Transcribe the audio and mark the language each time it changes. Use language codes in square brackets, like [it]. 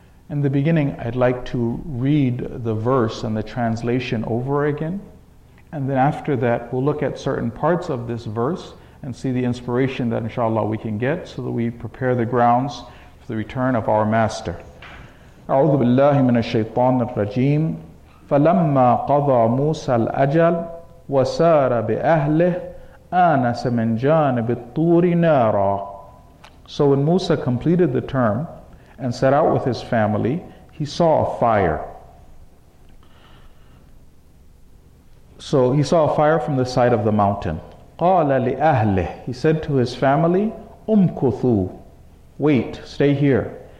[en] In the beginning, I'd like to read the verse and the translation over again. And then after that, we'll look at certain parts of this verse and see the inspiration that inshallah we can get so that we prepare the grounds for the return of our master. [ar] أعوذ بالله من الشيطان الرجيم فلما قضى موسى الأجل وسار بأهله آنس من جانب الطور نارا. [en] So when Musa completed the term and set out with his family, he saw a fire. So he saw a fire from the side of the mountain. [ar] قال لأهله, [en] he said to his family, [ar] أمكثوا, [en] wait, stay here.